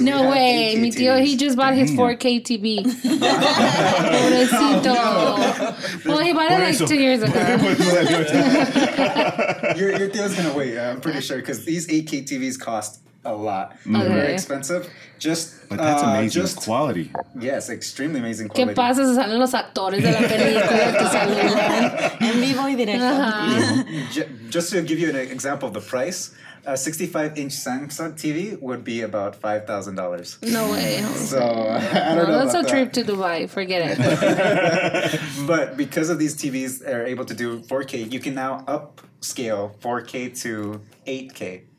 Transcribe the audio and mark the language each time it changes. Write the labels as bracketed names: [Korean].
[English] No way. [Spanish] Mi tío, [English] he just bought his 4K TV. Pobrecito. Well, he bought it like 2 years ago. your tío's going to wait, I'm pretty sure, because these 8K TVs cost a lot. Okay. Very expensive. But that's amazing quality. Yes, extremely amazing quality. [Spanish] ¿Qué pasa si salen los actores de la película que salen en vivo y directo? [English] Just to give you an example of the price, a 65-inch Samsung TV would be about $5,000. No way. So, that's a trip to Dubai. Forget it. But because of these TVs are able to do 4K, you can now upscale 4K to 8K.